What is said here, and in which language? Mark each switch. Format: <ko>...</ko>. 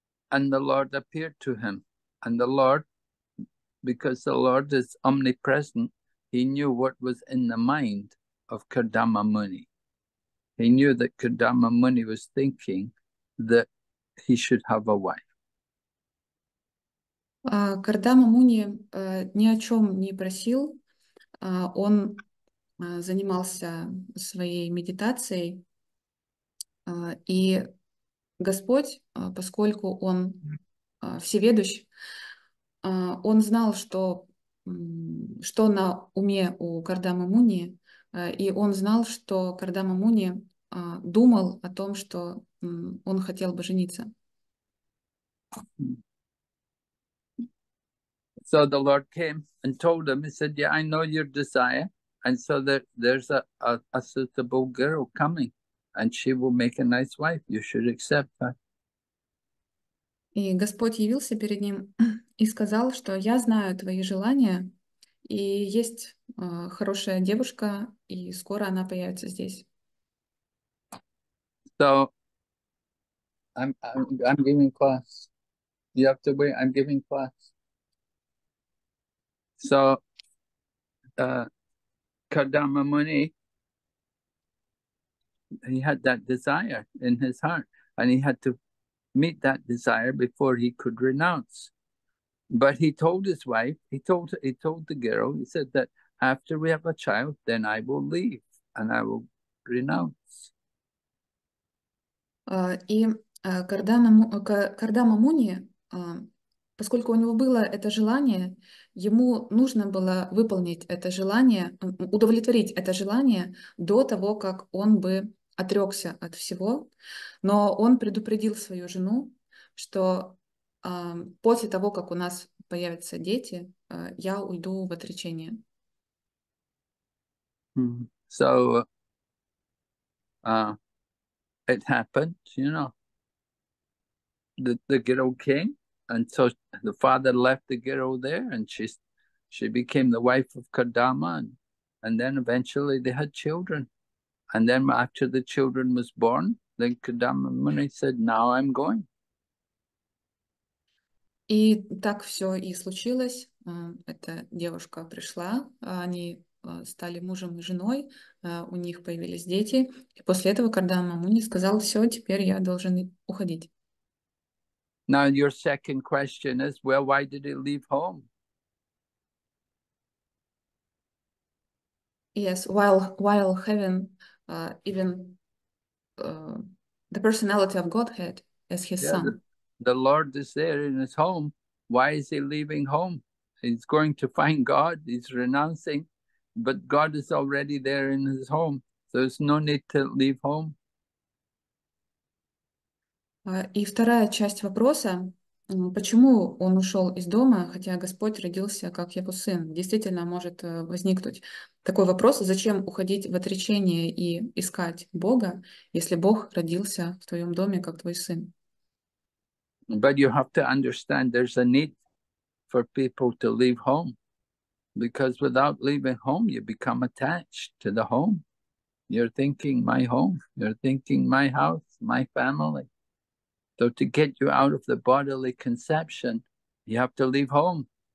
<en>And the Lord appeared to him. And the Lord, because the Lord is omnipresent, he knew what was in the mind of Kardama Muni. He knew that Kardama Muni was thinking that he should have a wife.</en> <ru>Кардама Муни ни о чем не просил. Он занимался своей медитацией. И Господь, поскольку он всеведущ, он знал, что на уме у Кардама Муни, и он знал, что Кардама Муни думал о том, что он хотел бы жениться.</ru> <en>So the Lord came and told him, he said, yeah, I know your desire. And so there's a suitable girl coming and she will make a nice wife. You should accept her.</en> <ru>И Господь явился перед ним и сказал, что я знаю твои желания, и есть хорошая девушка, и скоро она появится здесь.</ru> <en>So, I'm giving class. You have to wait. I'm giving class. So, Kardama Muni, he had that desire in his heart, and he had to meet that desire before he could renounce. But he told his wife, he told the girl, he said that after we have a child, then I will leave and I will renounce.</en> <ru>И Кардама Муни, поскольку у него было это желание, ему нужно было выполнить это желание, удовлетворить это желание до того, как он бы отрекся от всего. Но он предупредил свою жену, что после того, как у нас появятся дети, я уйду в отречение.</ru> <en>So it happened, the girl came, and so the father left the girl there, and she became the wife of Kardama, and then eventually they had children, and then after the children was born, then Kardama Muni said, "Now I'm going."</en> <ru>И так все и случилось. Эта девушка пришла, они стали мужем и женой, у них появились дети. И после этого, когда Мамуни сказал, все, теперь я должен уходить.</ru> <en>Now, your second question is, well, why did he leave home? Yes, while having even the personality of Godhead as his Yeah, son. the Lord is there in his home. Why is he leaving home? He's going to find God, he's renouncing, but God is already there in his home. So there's no need to leave home.</en> <ru>И вторая часть вопроса, почему он ушел из дома, хотя Господь родился как его сын, действительно может возникнуть такой вопрос, зачем уходить в отречение и искать Бога, если Бог родился в твоем доме как твой сын?</ru> <en>But you have to understand there's a need for people to leave home, because without leaving home, you become attached to the home. You're thinking my home, you're thinking my house, my family. So to get you out of the bodily conception, you have to leave home.</en>